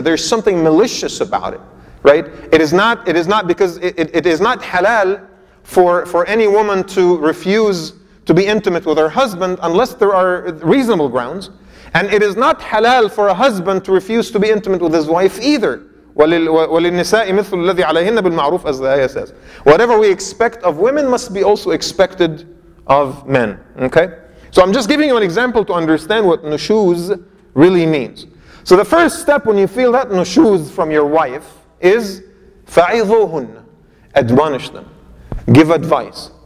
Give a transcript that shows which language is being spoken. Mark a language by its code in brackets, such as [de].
[en] There's something malicious about it, right? It is not halal for any woman to refuse to be intimate with her husband unless there are reasonable grounds. And it is not halal for a husband to refuse to be intimate with his wife either. [ar] وَلِلْنِسَاءِ مِثْلُ الَّذِي عَلَيْهِنَّ بِالْمَعْرُوفِ [en] as the ayah says. Whatever we expect of women must be also expected of men. Okay? So I'm just giving you an example to understand what nushuz really means. So the first step when you feel that nushuz from your wife is [ar] فَعِظُوهُنَّ, [en] admonish them. Give advice.